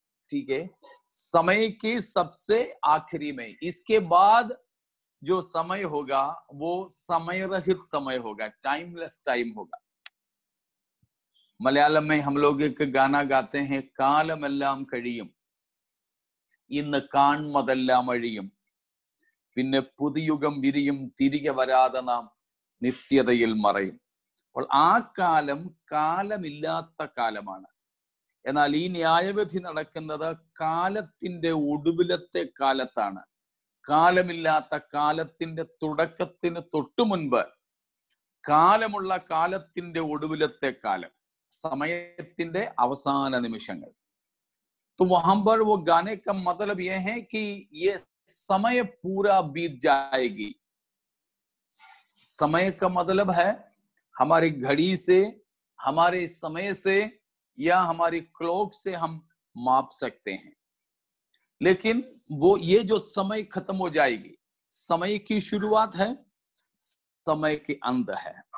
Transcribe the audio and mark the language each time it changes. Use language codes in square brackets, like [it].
[hi] ठीक है, समय के सबसे आखिरी में, इसके बाद जो समय होगा वो समय रहित समय होगा, टाइमलेस टाइम होगा। [ml] मलयालम में हम लोग एक गाना गाते हैं, कालमेल्लाम कड़ियम इन काणमदेल्लाम अळियम പിന്നെ പുതുയുഗം വിരിയും തിരികെ വരാതെ നാം നിത്യതയിൽ മറയും। അപ്പോൾ ആ കാലം കാലമില്ലാത്ത കാലമാണ്, എന്നാൽ ഈ ന്യായവിധി നടക്കുന്നത് കാലത്തിന്റെ ഒടുവിലത്തെ കാലത്താണ്, കാലമില്ലാത്ത കാലത്തിന്റെ തുടക്കത്തിന് തൊട്ടു മുൻപ് കാലമുള്ള കാലത്തിന്റെ ഒടുവിലത്തെ കാലം, സമയത്തിന്റെ അവസാന നിമിഷങ്ങൾ। [hi] तो वहां पर वो गाने का मतलब यह है कि ये समय पूरा बीत जाएगी। समय का मतलब है हमारी घड़ी से, हमारे समय से या हमारी क्लॉक से हम माप सकते हैं, लेकिन वो ये जो समय खत्म हो जाएगी, समय की शुरुआत है, समय के अंत है।